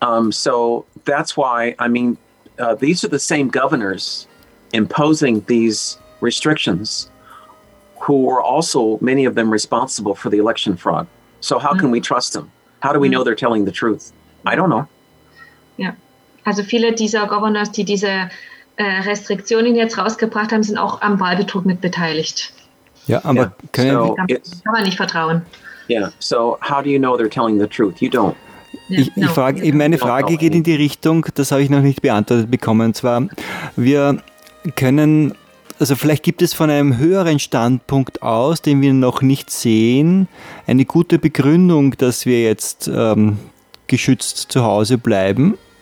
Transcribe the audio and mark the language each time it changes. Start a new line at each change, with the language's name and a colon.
English: So, that's why, I mean, these are the same governors imposing these restrictions, who were also many of them responsible for the election fraud. So how can we trust them? How do we know they're telling the truth? I don't know.
German: Ja, also viele dieser Governors, die diese Restriktionen jetzt rausgebracht haben, sind auch am Wahlbetrug mit beteiligt. Ja, aber können so kann man nicht vertrauen.
English: Yeah, so how do you know they're telling the truth? You don't.
German: Meine Frage geht in die Richtung, das habe ich noch nicht beantwortet bekommen, und zwar, wir können. Also vielleicht gibt es von einem höheren Standpunkt aus, den wir noch nicht sehen, eine gute Begründung, dass wir jetzt geschützt zu Hause bleiben.